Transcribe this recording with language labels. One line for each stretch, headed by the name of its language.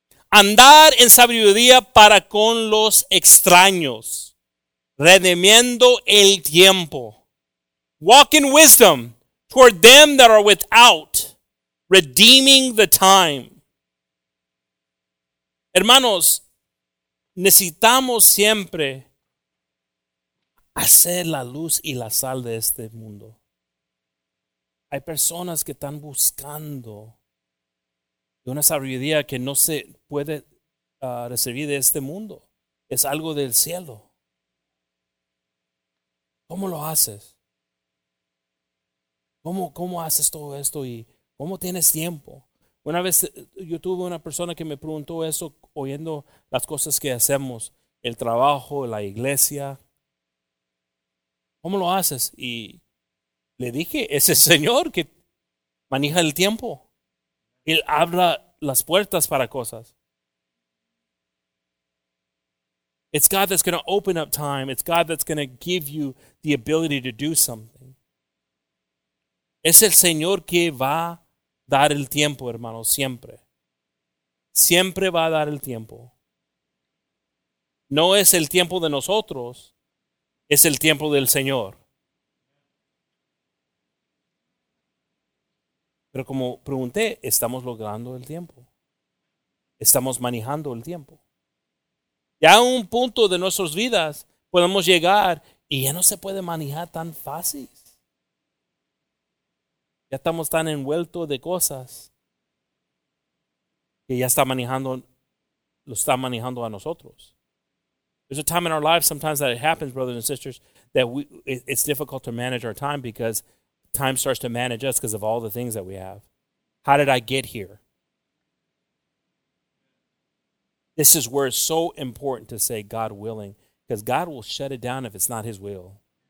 Spanish: Andar en sabiduría para con los extraños, redimiendo el tiempo.
English: Walk in wisdom toward them that are without, redeeming the time.
Spanish: Hermanos, necesitamos siempre hacer la luz y la sal de este mundo. Hay personas que están buscando de una sabiduría que no se puede recibir de este mundo. Es algo del cielo. ¿Cómo lo haces? ¿Cómo haces todo esto y cómo tienes tiempo? Una vez yo tuve una persona que me preguntó eso, oyendo las cosas que hacemos, el trabajo, la iglesia. ¿Cómo lo haces? Y le dije, es el Señor que maneja el tiempo. Él abre las puertas para cosas.
English: It's God that's going to open up time. It's God that's going to give you the ability to do something.
Spanish: Es el Señor que va a dar el tiempo, hermano, siempre. Siempre va a dar el tiempo. No es el tiempo de nosotros, es el tiempo del Señor. Pero como pregunté, estamos logrando el tiempo. Estamos manejando el tiempo. Ya a un punto de nuestras vidas podemos llegar y ya no se puede manejar tan fácil. Ya estamos tan envueltos de cosas que ya está manejando, lo está manejando a nosotros.
English: There's a time in our lives sometimes that it happens, brothers and sisters, that it's difficult to manage our time because time starts to manage us because of all the things that we have. How did I get here? This is where it's so important to say God willing, because God will shut it down if it's not his will.